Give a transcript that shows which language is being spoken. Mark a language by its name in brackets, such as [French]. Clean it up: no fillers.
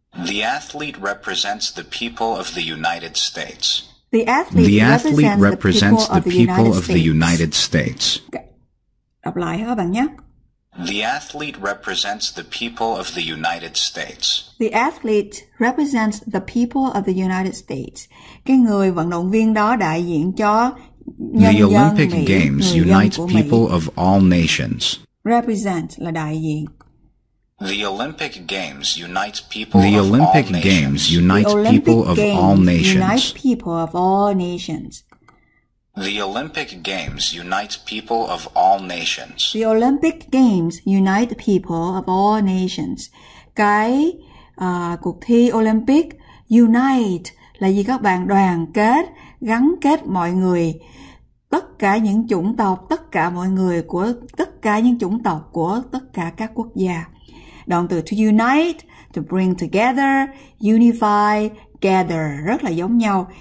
[English] The athlete represents the people of the United States. The athlete, represents the people of the United States. [Vietnamese] Đọc lại các bạn nhé. [English] The athlete represents the people of the United States. The athlete represents the people of the United States. [Vietnamese] Cái người vận động viên đó đại diện cho nhân dân Mỹ. [English] The Olympic Games unite people of all nations. [Vietnamese] Represent là đại diện. [English] The Olympic Games unite people the Olympic of all Games nations. Unite the Olympic people Games of all nations. Unite people of all nations. The Olympic Games unite people of all nations. The Olympic Games unite people of all nations. [Vietnamese] Cái cuộc thi Olympic unite là gì các bạn? Đoàn kết, gắn kết mọi người. Tất cả những chủng tộc, tất cả mọi người của tất cả những chủng tộc của tất cả các quốc gia. Động từ [English] to unite, to bring together, unify, gather, [Vietnamese] rất là giống nhau.